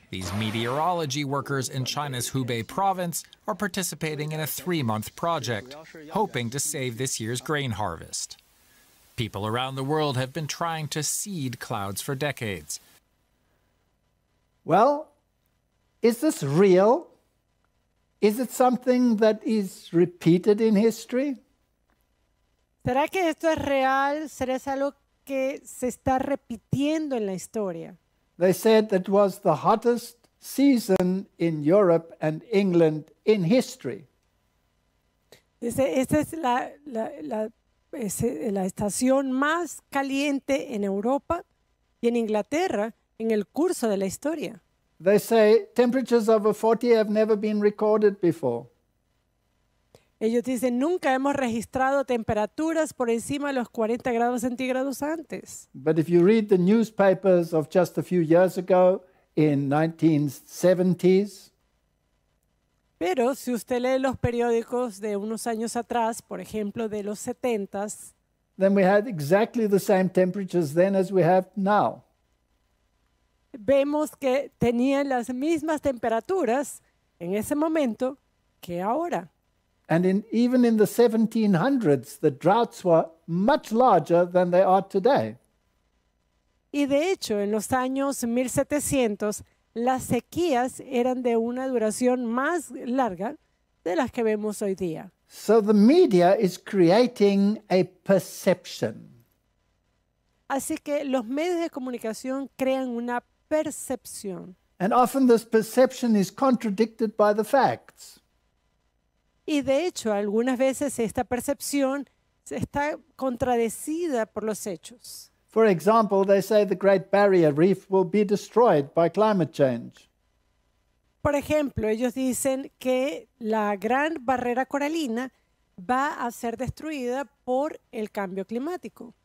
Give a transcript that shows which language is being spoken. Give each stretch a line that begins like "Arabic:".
English: These meteorology workers in China's Hubei province are participating in a three-month project, hoping to save this year's grain harvest. People around the world have been trying to seed clouds for decades. Well, is this real? Is it something that is repeated in history?
Spanish: ¿Será que esto es real? ¿Será algo que se está repitiendo en la historia?
English: They said that was the hottest season in Europe and England in history.
Spanish: Dice, esta es la estación más caliente en Europa y en Inglaterra en el curso de la historia.
English: They say temperatures over 40 have never been recorded before.
Spanish: Ellos dicen, nunca hemos registrado temperaturas por encima de los 40 grados centígrados antes.
English: But if you read the newspapers of just a few years ago in 1970s.
Spanish: Pero si usted lee los periódicos de unos años atrás, por ejemplo, de los 70s.
English: then we had exactly the same temperatures then as we have now.
Spanish: Vemos que tenían las mismas temperaturas en ese momento que ahora.
English: And even in the 1700s, the droughts were much larger than they are today.
Spanish: Y de hecho, en los años 1700, las sequías eran de una duración más larga de las que vemos hoy día.
English: So the media is creating a perception.
Spanish: Así que los medios de comunicación crean una percepción.
English: And often this perception is contradicted by the facts.
Spanish: Y de hecho, algunas veces esta percepción está contradecida por los hechos.
English: For example, they say the Great Barrier Reef will be destroyed by climate change.
Spanish: Por ejemplo, ellos dicen que la Gran Barrera Coralina va a ser destruida por el cambio climático.